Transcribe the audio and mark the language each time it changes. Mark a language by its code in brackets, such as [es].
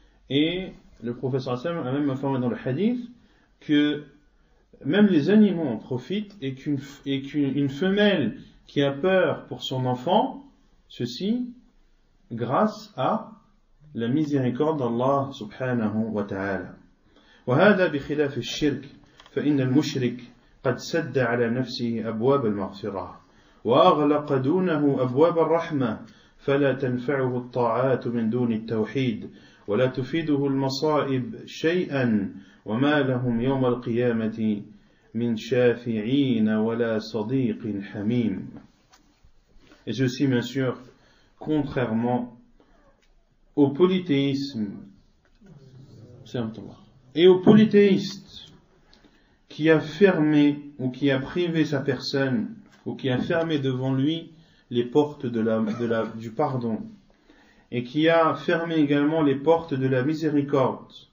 [fr] Et le professeur Hassan a même informé dans le hadith que même les animaux en profitent, et qu'une femelle qui a peur pour son enfant, ceci grâce à la miséricorde d'Allah subhanahu wa ta'ala. [ar] وهذا بخلاف الشرك فإن المشرك قد سد على نفسه أبواب المغفرة وأغلق دونه أبواب الرحمة فلا تنفعه الطاعات من دون التوحيد ولا تفيده المصائب شيئا وما لهم يوم القيامة من شافعين ولا صديق حميم. [fr] Et ceci, bien sûr, contrairement au polythéisme, et au polythéiste qui a fermé ou qui a privé sa personne ou qui a fermé devant lui les portes du pardon, et qui a fermé également les portes de la miséricorde.